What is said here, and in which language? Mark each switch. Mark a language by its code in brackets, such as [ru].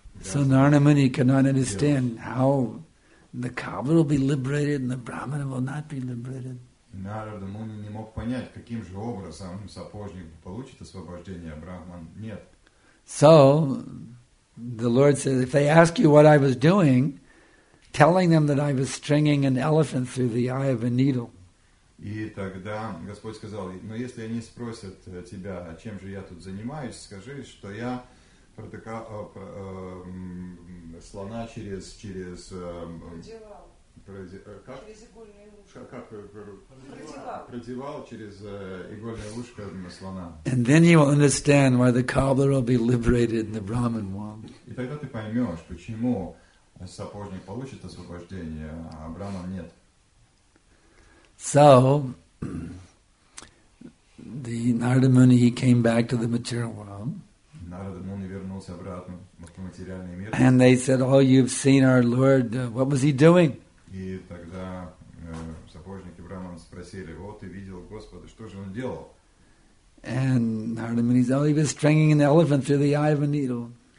[en] So Narada Muni cannot understand how the cobbler will be liberated and the brahmana will not be liberated. [ru] Narada Muni не мог понять, каким же образом сапожник получит освобождение, а брахман нет. [en] So the Lord says, if they ask you what I was doing, telling them that I was stringing an elephant through the eye of a needle. [ru] И тогда Господь сказал, но если они спросят тебя, чем же я тут занимаюсь, скажи, что я слона через продевал через игольное ушко слона. [en] And then you will understand why the cobbler will be liberated in the Brahman world. [ru] И тогда ты поймешь, почему сапожник получит освобождение, а брахман нет. [en] So the Narada Muni he came back to the material world. [ru] Narada Muni вернулся обратно в материальный мир. [en] And they said, "Oh, you've seen our Lord. What was he doing?" [ru] И тогда сапожник и брахман спросили: "Вот ты видел Господа, что же он делал?" [en] And Narada Muni said, "Oh, he was stringing an elephant through the eye of a needle."